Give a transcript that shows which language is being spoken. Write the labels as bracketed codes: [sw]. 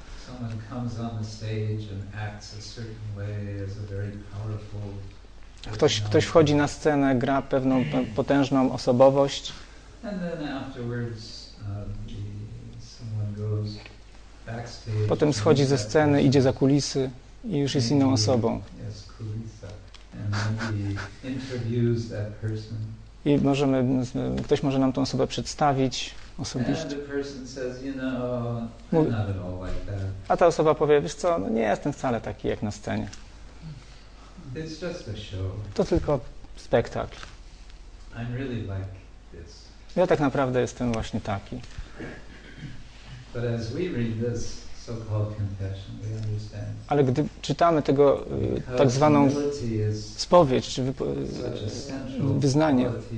[en] Someone comes on the stage and acts a certain way as a very powerful. [pl] Ktoś wchodzi na scenę, gra pewną potężną osobowość. [en] And then afterwards, someone goes backstage. [pl] Potem schodzi ze sceny, idzie za kulisy i już jest inną osobą. [en] Yes, kulisa. And then he interviews that person. [pl] I możemy, ktoś może nam tą osobę przedstawić osobiście. [en] And the person says, you know, I'm not at all like that. [pl] A ta osoba powie, wiesz co, no nie jestem wcale taki jak na scenie. [en] It's just a show. [pl] To tylko spektakl. [en] I'm really like this. [pl] Ja tak naprawdę jestem właśnie taki. [en] But as we read this so-called confession, we understand. [pl] Ale gdy czytamy tego tak zwaną spowiedź, czy wyznanie,